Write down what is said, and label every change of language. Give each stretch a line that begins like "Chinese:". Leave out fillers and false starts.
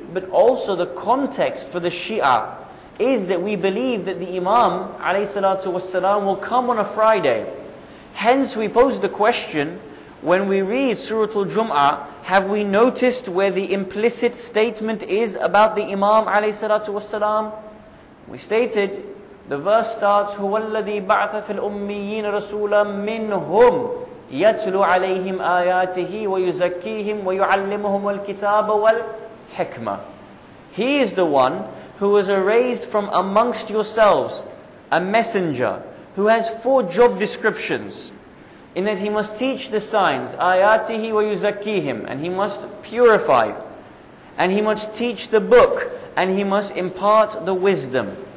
English: But also the context for the Shia is that we believe that the Imam, alayhi salatu wassalam, will come on a Friday. Hence we pose the question, when we read Surah Al-Jum'ah, have we noticed where the implicit statement is about the Imam, alayhi salatu wassalam?
Arabic: We stated, the verse starts, هُوَ الَّذِي بَعْثَ فِي الْأُمِّيِّينَ رَسُولًا مِّنْهُمْ يَتْلُ عَلَيْهِمْ آيَاتِهِ وَيُزَكِّيهِمْ وَيُعَلِّمُهُمُ الْكِتَابَ وَالْحِكْمَةِ.
English: He is the one who was raised from amongst yourselves, a messenger, who has four job descriptions, in that he must teach the signs,
Arabic: آيَاتِهِ وَيُزَكِّيهِمْ,
English: and he must purify, and he must teach the book, and he must impart the wisdom.